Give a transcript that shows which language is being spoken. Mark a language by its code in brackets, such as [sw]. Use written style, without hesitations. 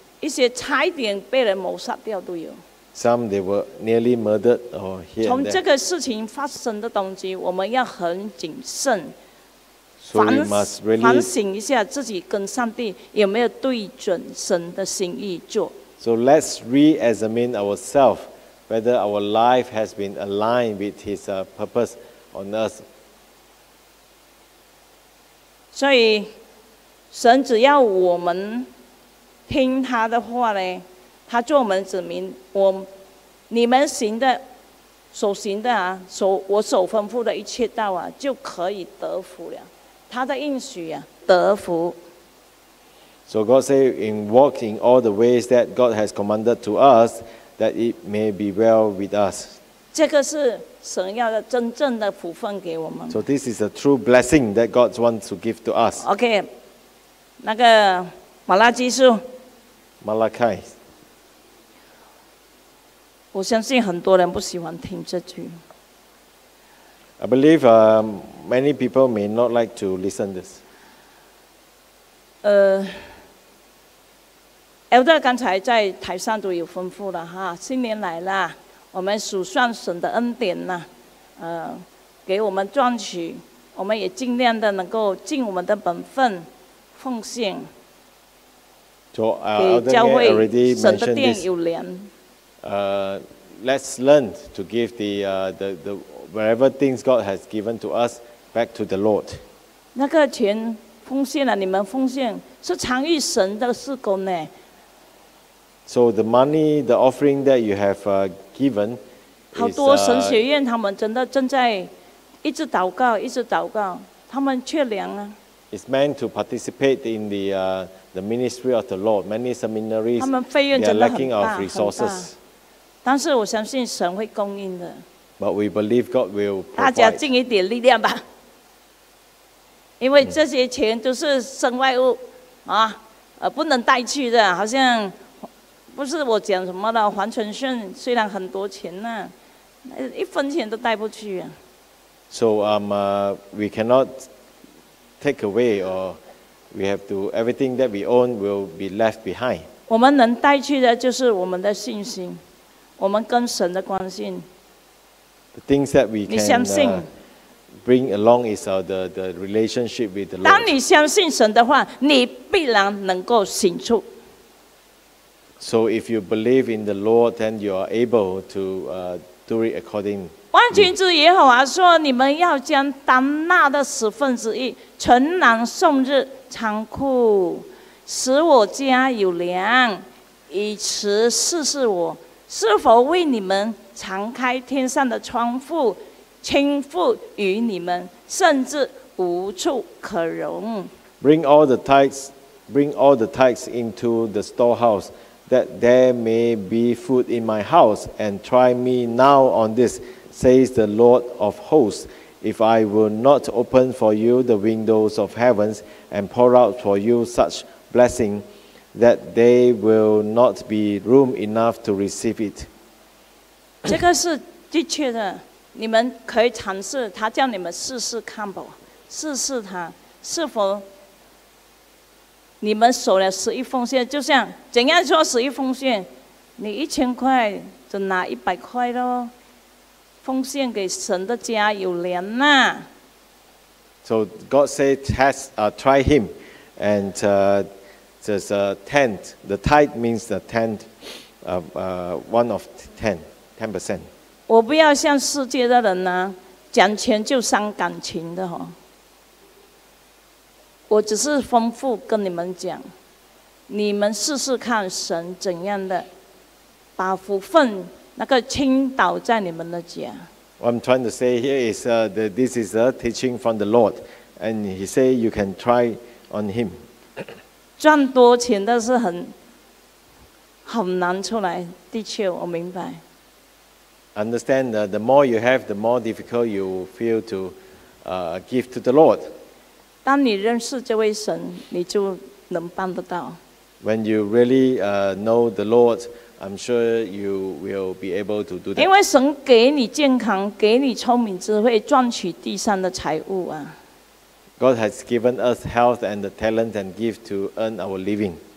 [zh] 一些差点被人谋杀掉都有。 [en] Some they were nearly murdered or here. [zh] 从这个事情发生的东西，我们要很谨慎。 [en] So you must really [zh] 反省一下自己跟上帝有没有对准神的心意做。 [en] So let's re-examine ourselves whether our life has been aligned with His purpose on earth. [zh] 所以，神只要我们听他的话嘞，他做我们子民，你们行的、所行的啊，我所吩咐的一切道啊，就可以得福了。他的应许啊，得福。 [en] So God say in walking all the ways that God has commanded to us, that it may be well with us. [zh] 这个是神要的真正的福分给我们。 [en] So this is a true blessing that God wants to give to us. [zh] Okay, 那个马拉基书。 [en] Malachi. [zh] 我相信很多人不喜欢听这句。 [en] I believe many people may not like to listen this. [zh] Elder 刚才在台上都有吩咐了哈，新年来了，我们数算神的恩典呢，给我们赚取，我们也尽量的能够尽我们的本分，奉献。 [en] So, [zh] 给教会神的殿有粮。 [en] Let's learn to give the wherever things God has given to us back to the Lord. [zh] 那个钱奉献了，你们奉献是常与神的事工呢。 [en] So the money, the offering that you have given, [zh] 好多神学院他们真的正在一直祷告，一直祷告，他们缺粮啊。 [en] It's meant to participate in the ministry of the Lord. Many seminaries, [zh] 他们费用真的很大很大。但是我相信神会供应的。 [en] But we believe God will provide. [zh] 大家尽一点力量吧，因为这些钱都是身外物，不能带去的。好像不是我讲什么的，黄春顺虽然很多钱呢，一分钱都带不去。 [en] So we cannot take away or we have to everything that we own will be left behind. [zh] 我们能带去的就是我们的信心，我们跟神的关系。 [en] The things that we can bring along is the relationship with the Lord. [zh] 当你相信神的话，你必然能够行出。 [en] So if you believe in the Lord, then you are able to do it according. [zh] 万军之耶和华说：“你们要将当纳的十分之一存囊送入仓库，使我家有粮，以此试试我是否为你们。” 敞开天上的窗户，倾覆于你们，甚至无处可容。 [en] Bring all the tithes, bring all the tithes into the storehouse, that there may be food in my house. And try me now on this, says the Lord of hosts, if I will not open for you the windows of heavens and pour out for you such blessing that there will not be room enough to receive it. [zh] 这个是的确的，你们可以尝试，他叫你们试试看吧，试试他是否你们守了十一奉献。就像怎样说十一奉献，你一千块就拿一百块咯，奉献给神的家有粮呐。 [en] So God said, try him, and there's a tenth. The tithe means the tenth, one of ten percent. [zh] 我不要像世界的人呐，讲钱就伤感情的哈。我只是吩咐跟你们讲，你们试试看神怎样的把福分那个倾倒在你们的家。 [en] What I'm trying to say here is that this is a teaching from the Lord, and He say you can try on Him. [zh] 赚多钱的是很难出来，的确我明白。 [en] Understand that the more you have, the more difficult you feel to give to the Lord. [zh] 当你认识这位神，你就能办得到。 [en] When you really know the Lord, I'm sure you will be able to do that. [zh] 因为神给你健康，给你聪明智慧，赚取地上的财物啊。 [en] God has given us health and the talent and gift to earn our living.